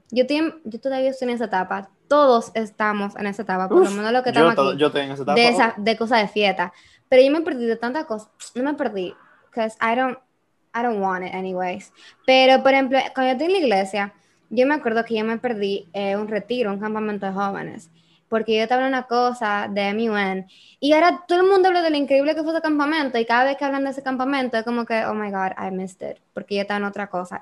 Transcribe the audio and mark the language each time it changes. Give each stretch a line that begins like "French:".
Spanish: Yo todavía estoy en esa etapa. Todos estamos en esa etapa. Por lo menos lo que estamos aquí. Yo estoy en esa etapa. De cosas de fiesta. Pero yo me perdí de tantas cosas. No me perdí.
English: Because I don't want it anyways.
Spanish: Pero, por ejemplo, cuando yo estoy en la iglesia, yo me acuerdo que yo me perdí un retiro, un campamento de jóvenes. porque yo te hablo una cosa de mi UN. Y ahora todo el mundo habla de lo increíble que fue ese campamento, y cada vez que hablan de ese campamento es como que,
English: oh my God, I missed it,
Spanish: porque yo estaba en otra cosa.